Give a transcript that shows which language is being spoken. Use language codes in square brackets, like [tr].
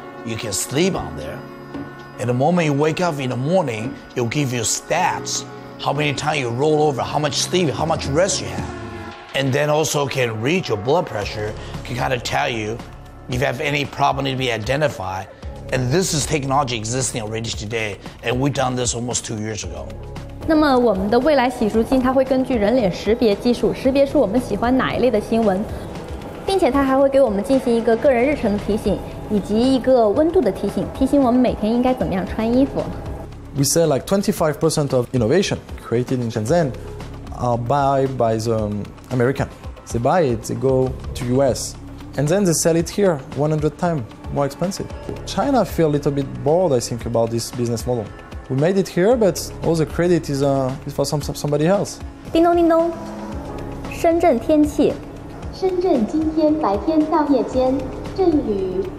[en] You can sleep on there. And the moment you wake up in the morning, it'll give you stats, how many times you roll over, how much sleep, how much rest you have. And then also can read your blood pressure, can kind of tell you if you have any problem to be identified. And this is technology existing already today, and we've done this almost 2 years ago. [zh] 那么我们的未来洗漱镜它会根据人脸识别技术识别出我们喜欢哪一类的新闻，并且它还会给我们进行一个个人日程的提醒以及一个温度的提醒，提醒我们每天应该怎么样穿衣服。 [en] We say like 25% of innovation created in Shenzhen are by the American. They buy it, they go to US, and then they sell it here 100 times more expensive. China feel a little bit bored, I think, about this business model. We made it here, but all the credit is for somebody else. [zh] 叮咚叮咚，深圳天气。深圳今天白天到夜间阵雨。